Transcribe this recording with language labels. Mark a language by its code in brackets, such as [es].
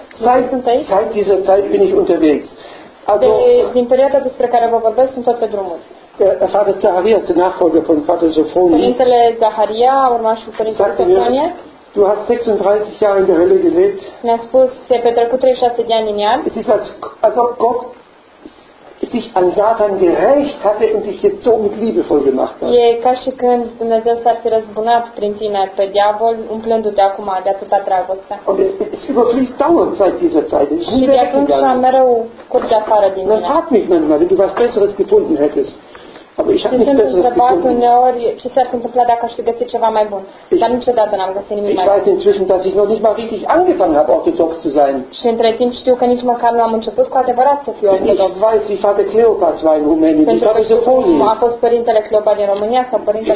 [de] Seit dieser Zeit bin ich unterwegs. [ro] Also, din perioada despre care vă vorbesc, sunt tot pe drumul. [de] Vater Zaharia, der Nachfolger von Vater Sofonie. [ro] Părintele Zaharia, urmașul Părintele Sofonie. [de] Du hast 36 Jahre in der Hölle gelebt. [ro] Mi-a spus, ți-ai petrecut 36 de ani în iad. [de] Es ist, als ob Gott sich an Satan gerecht hatte und dich jetzt so mit Liebe voll gemacht hat. [ro] E ca și când Dumnezeu s-ar fi răzbunat prin tine pe diavol, umplându-te acum de atâta dragoste. [de] Und es überfließt dauernd seit dieser Zeit. Es [ro] și de atunci mereu curge afară din mine. [de] Man fragt mich manchmal, wenn du was Besseres gefunden hättest. Aber ich habe nicht besser als die Kunde. Ich weiß inzwischen, dass ich noch nicht mal richtig angefangen habe, orthodox zu sein. [ro] Și între timp știu că nici măcar nu am început cu adevărat să fiu ortodox. [de] Ich weiß, wie Vater Cleopas war in Rumänien. Ich habe so Folien. [ro] A fost Părintele Cleopa din România sau Părintele